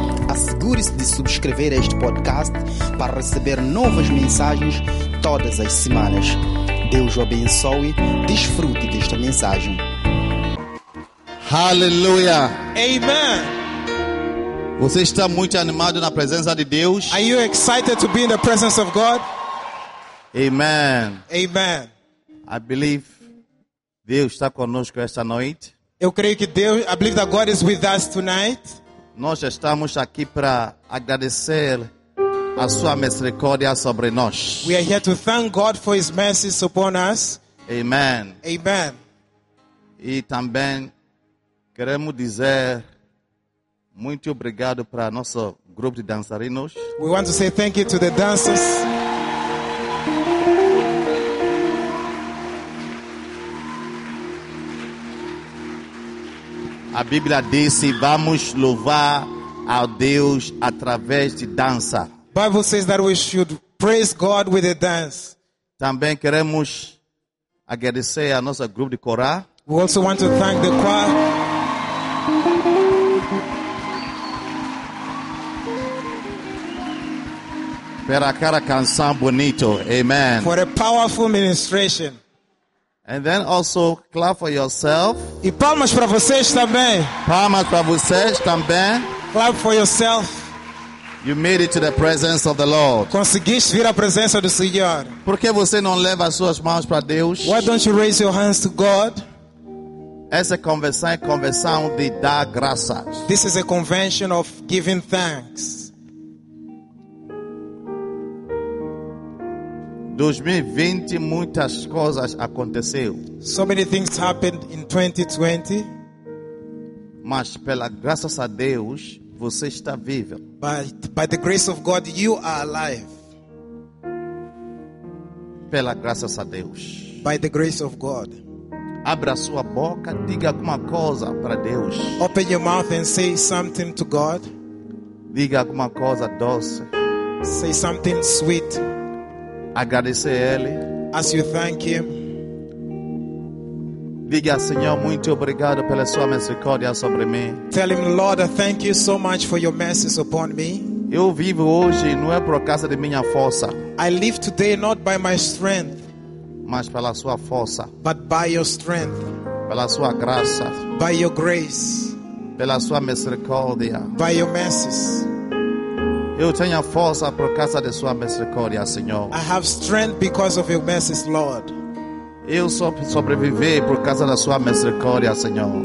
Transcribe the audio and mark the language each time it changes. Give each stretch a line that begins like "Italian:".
Portuguese: Assegure-se de subscrever este podcast para receber novas mensagens todas as semanas. Deus o abençoe. Desfrute desta mensagem. Aleluia. Amen. Você está muito animado na presença de Deus?
English: Are you excited to be in the presence of God? Amen. Amen. I believe
Portuguese: Deus está conosco esta noite. Eu creio que Deus,
English: I believe that God is with us tonight.
Portuguese: Nós estamos aqui para agradecer a sua misericórdia sobre nós.
English: We are here to thank God for his mercies upon us. Amen. Amen.
Portuguese: E também queremos dizer muito obrigado para nosso grupo de dançarinos.
English: We want to say thank you to the dancers.
Portuguese: A Bíblia diz: vamos louvar a Deus através de dança.
English: Bible says that we should praise God with a dance.
Portuguese: Também queremos agradecer a nosso grupo de corá.
English: We also want to thank the choir.
Portuguese: Para aquela canção bonito, amen.
English: For a powerful ministration. And then also clap for yourself.
Portuguese: E palmas para vocês também. Palmas para vocês também.
English: Clap for yourself. You made it to the presence of the Lord.
Portuguese: Conseguiste vir à presença do Senhor. Por que você não leva as suas mãos para Deus?
English: Why don't you raise your hands to God?
Portuguese: Essa convenção é convenção de dar graças.
English: This is a convention of giving thanks.
Portuguese: 2020, muitas coisas aconteceu.
English: So many things happened in 2020.
Portuguese: Mas pela graça a Deus, você está vivo.
English: By the grace of God, you are alive.
Portuguese: Pela graça a Deus.
English: By the grace of God.
Portuguese: Abra sua boca, diga alguma coisa para Deus.
English: Open your mouth and say something to God.
Portuguese: Diga alguma coisa doce.
English: Say something sweet.
Portuguese: Agradecer ele.
English: As you thank him.
Portuguese: Diga, Senhor, muito obrigado pela sua misericórdia sobre mim.
English: Tell him, Lord, I thank you so much for your mercies upon me.
Portuguese: Eu vivo hoje não é por causa de minha força.
English: I live today not by my strength.
Portuguese: Mas pela sua força.
English: But by your strength.
Portuguese: Pela sua graça.
English: By your grace.
Portuguese: Pela sua misericórdia.
English: By your mercies.
Portuguese: Eu tenho força por causa de sua misericórdia, Senhor.
English: I have strength because of your mercies, Lord.
Portuguese: Eu sobrevivi por causa da sua misericórdia, Senhor.